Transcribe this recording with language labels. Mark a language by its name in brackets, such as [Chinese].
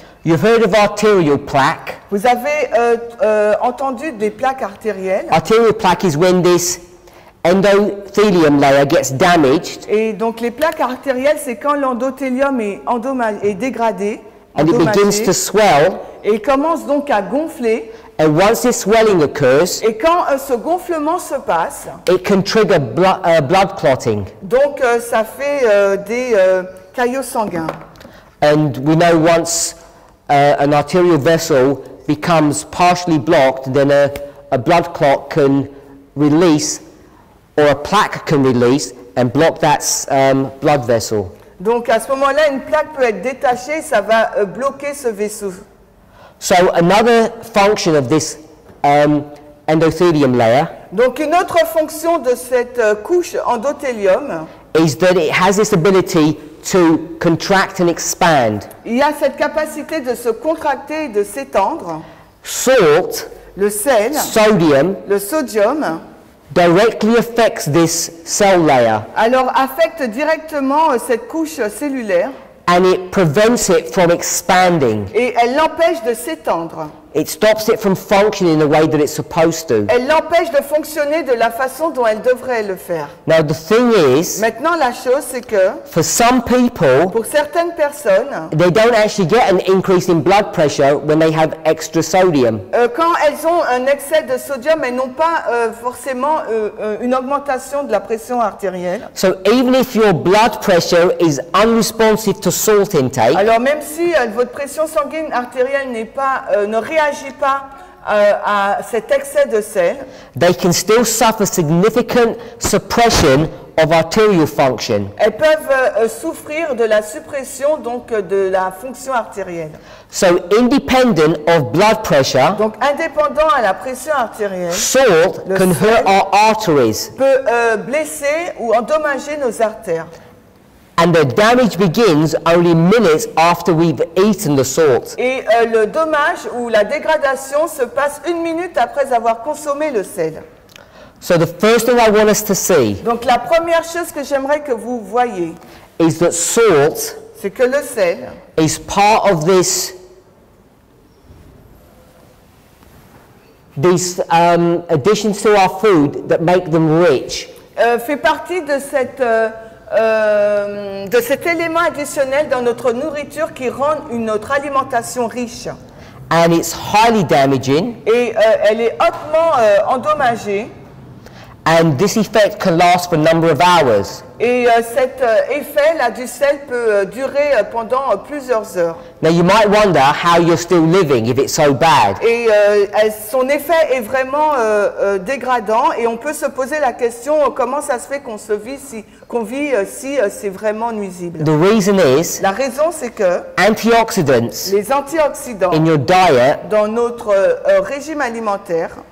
[English] You've heard of arterial plaque. [French] Vous avez entendu des plaques artérielles. [English] Arterial plaque is when this endothelium layer gets damaged. [French] Et donc les plaques artérielles, c'est quand l'endothélium est dégradé. [English] And it begins to swell. [French] Et commence donc à gonfler. [English] And once this swelling occurs, [French] et quand ce gonflement se passe, [English] it can trigger blood clotting. [French] Donc ça fait des caillots sanguins. [English] And we know once an arterial vessel becomes partially blocked, then a blood clot can release, or a plaque can release and block that blood vessel. [French] Donc à ce moment-là, une plaque peut être détachée, ça va bloquer ce vaisseau. [English] So another function of this endothelium layer. [French] Donc une autre fonction de cette couche endothélium. [English] Is that it has this ability. To contract and expand. [French] Il y a cette capacité de se contracter et de s'étendre. [English] Salt, [French] le sel, [English] sodium, [French] le sodium, [English] directly affects this cell layer. [French] Alors affecte directement cette couche cellulaire. [English] And it prevents it from expanding. [French] Et elle l'empêche de s'étendre. [English] It stops it from functioning the way that it's supposed to. [French] Elle l'empêche de fonctionner de la façon dont elle devrait le faire. [English] Now the thing is, [French] maintenant la chose c'est que, [English] for some people, [French] pour certaines personnes, [English] they don't actually get an increase in blood pressure when they have extra sodium. [French] Quand elles ont un excès de sodium, elles n'ont pas forcément une augmentation de la pression artérielle. [English] So even if your blood pressure is unresponsive to salt intake, [French] alors même si votre pression sanguine artérielle n'est pas réagit pas à cet excès de sel. [English] They can still suffer significant suppression of arterial function. [French] Elles peuvent souffrir de la suppression donc de la fonction artérielle. [English] So independent of blood pressure. [French] Donc indépendant à la pression artérielle. [English] Salt can hurt our arteries. [French] Peut blesser ou endommager nos artères. [English] And the damage begins only minutes after we've eaten the salt. [French] Et le dommage ou la dégradation se passe une minute après avoir consommé le sel. [English] So the first thing I want us to see. [French] Donc la première chose que j'aimerais que vous voyez. [English] Is that salt. [French] C'est que le sel. [English] Is part of this. These additions to our food that make them rich. [French] Fait partie de cette de cet élément additionnel dans notre nourriture qui rend notre alimentation riche. [English] And it's highly damaging. [French] Et elle est hautement endommagée. [English] And this effect can last for a number of hours. [French] Et cet effet là du sel peut durer pendant plusieurs heures. [English] Now you might wonder how you're still living if it's so bad. [French] Et son effet est vraiment dégradant et on peut se poser la question comment ça se fait qu'on se vit si qu'on vit si c'est vraiment nuisible. [English] The reason is. [French] La raison c'est que. [English] Antioxidants. [French] Les antioxydants. [English] In your diet. [French] Dans notre régime alimentaire.